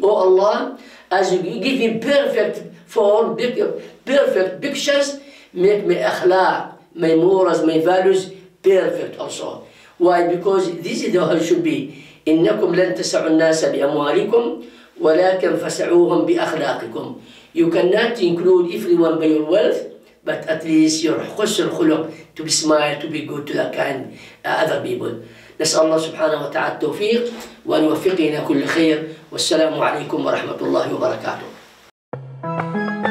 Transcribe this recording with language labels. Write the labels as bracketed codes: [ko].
[en] Oh Allah, as you give me perfect form, perfect pictures, make my akhlaq, my morals, my values perfect also. Why? Because this is how it should be. [ar] إنكم لن تسعوا الناس بأموالكم ولكن فسعوهم بأخلاقكم. [en] You cannot include everyone by your wealth, but at least your husn khuluq, to be smile, to be good to the kind other people. [ar] نسأل الله سبحانه وتعالى التوفيق وأن يوفقنا كل خير. والسلام عليكم ورحمة الله وبركاته.